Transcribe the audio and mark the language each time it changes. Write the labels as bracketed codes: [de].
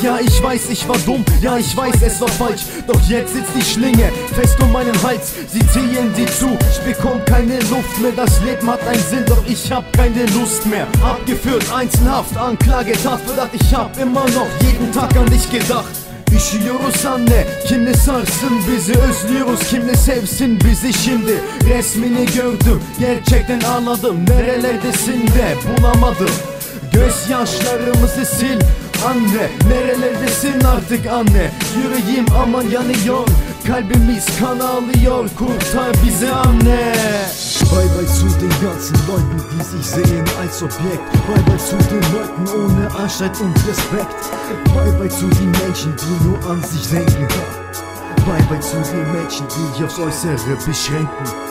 [de] Ja, ich weiß, ich war dumm, ja, ich weiß, es war falsch. Doch jetzt sitzt die Schlinge fest um meinen Hals. Sie ziehen sie zu, ich bekomm keine Luft mehr. Das Leben hat einen Sinn, doch ich hab keine Lust mehr. Abgeführt, einzelhaft, Anklage, Tatverdacht. Ich hab immer noch jeden Tag an dich gedacht. [tr] İşiyoruz anne, kim ne sarsın bizi, özlüyoruz kim ne sevsin bizi. Şimdi resmini gördüm, gerçekten anladım. Nerelerdesin de bulamadım. Gözyaşlarımızı sil anne, nerelerdesin artık anne. Yüreğim aman yanıyor, kalbimiz kan alıyor. Kurtar bizi anne. [en] Bye bye [de] zu den ganzen Leuten, die sich sehen als Objekt. [en] Bye bye [de] zu den Leuten ohne Anstand und Respekt. Bye bye zu den Menschen, die nur an sich denken. [en] Bye bye [de] zu den Menschen, die sich aufs Äußere beschränken.